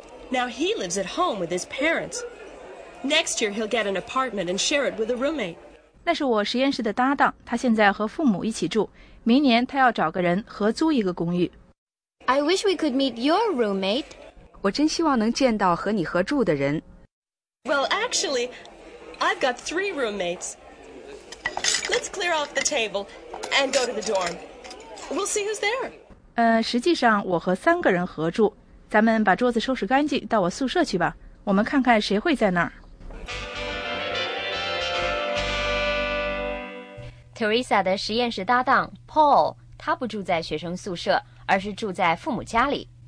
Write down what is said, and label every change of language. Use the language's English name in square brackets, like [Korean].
[English] Now he lives at home with his parents. Next year he'll get an apartment and share it with a roommate. [Chinese] 那是我实验室的搭档，他现在和父母一起住。明年他要找个人合租一个公寓。 [English] I wish we could meet your roommate. [Chinese] 我真希望能见到和你合住的人。 [English] Well, actually, I've got three roommates. Let's clear off the table and go to the dorm. We'll see who's there. [Chinese] 实际上我和三个人合住。咱们把桌子收拾干净，到我宿舍去吧。我们看看谁会在那儿。 Teresa 的实验室搭档 Paul， 他不住在学生宿舍，而是住在父母家里。